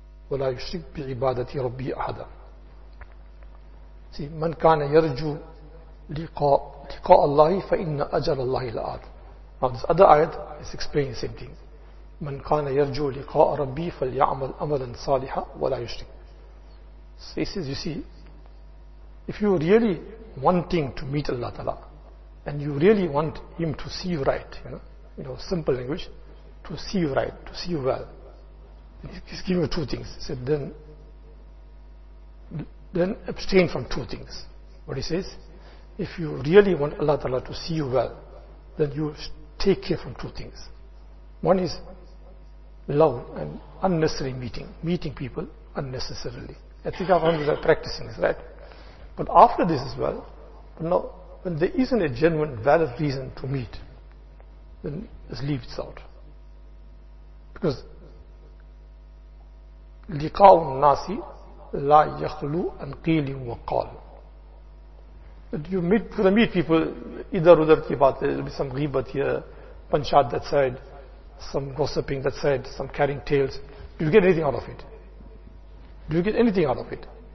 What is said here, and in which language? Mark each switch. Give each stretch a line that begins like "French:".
Arabic: ولا يشرك بعبادة ربه أحدا. من كان يرجو لقاء الله فإن أجل الله لآت.
English: Now this other ayat is explaining the same thing.
Arabic: من كان يرجو لقاء ربي فليعمل عملا صالحا ولا يشرك.
English: So he says, you see, if you really wanting to meet Allah Ta'ala, and you really want Him to see you right, you know, simple language, to see you right, to see you well, He's giving you two things. He said, then abstain from two things. What he says, if you really want Allah Ta'ala to see you well, then you take care from two things. One is love and unnecessary meeting people unnecessarily. I think our families are practicing this, right? But after this as well, now when there isn't a genuine, valid reason to meet, then just leave it out. Because
Arabic: لِقَاءُ النَّاسِ لَا يَخْلُوا أَنْ قِيلٍ وَقَالٍ.
English: You meet, for the meet people, either
Urdu: udhar ki baat,
English: there will be some ghibat here, panchat that side, some gossiping that side, some carrying tales. Do you get anything out of it? Do you get anything out of it?